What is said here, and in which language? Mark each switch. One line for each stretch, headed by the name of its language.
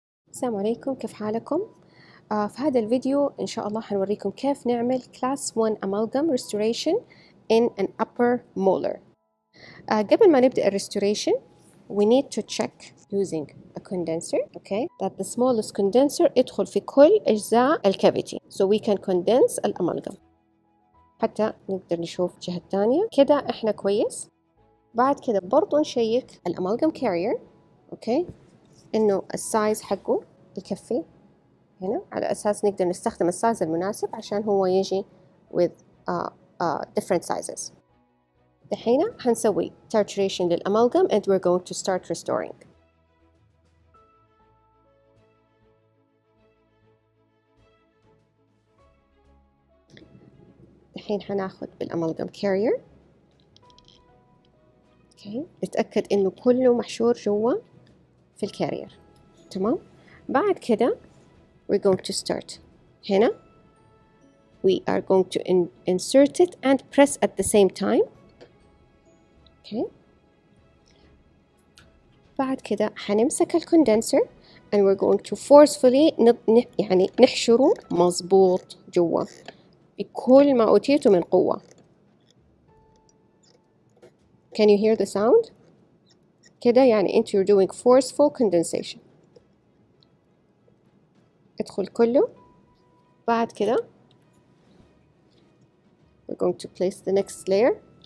Arabic: السلام عليكم، كيف حالكم؟ في هذا الفيديو إن شاء الله حنوريكم كيف نعمل
English: Class 1 Amalgam Restoration in an Upper Molar.
Arabic: قبل ما نبدأ الريستوريشن
English: we need to check using a condenser, okay, that the smallest condenser
Arabic: يدخل في كل أجزاء الكافيتي
English: so we can condense
Arabic: الأمالغام حتى نقدر نشوف جهة تانية. كده إحنا كويس. بعد كده برضو نشيك الأمالغام كارير، okay، إنه السايز حقه يكفي هنا على أساس نقدر نستخدم السايز المناسب عشان هو يجي
English: with different sizes.
Arabic: دحين هنسوي trituration للأمالغام
English: and we're going to start restoring.
Arabic: دحين هناخد بالأمالغام كارير.
English: Okay.
Arabic: نتأكد إنه كله محشور جوا في الكارير. تمام. بعد كده
English: we're going to start
Arabic: هنا
English: we are going to insert it and press at the same time. Okay.
Arabic: بعد كده حنمسك الكوندنسر
English: and we're going to forcefully
Arabic: يعني نحشره مظبوط جوا بكل ما اوتيته من قوة.
English: Can you hear the sound?
Arabic: كده يعني انت
English: you're doing forceful condensation.
Arabic: ادخل كله. بعد كده
English: we're going to place the next layer.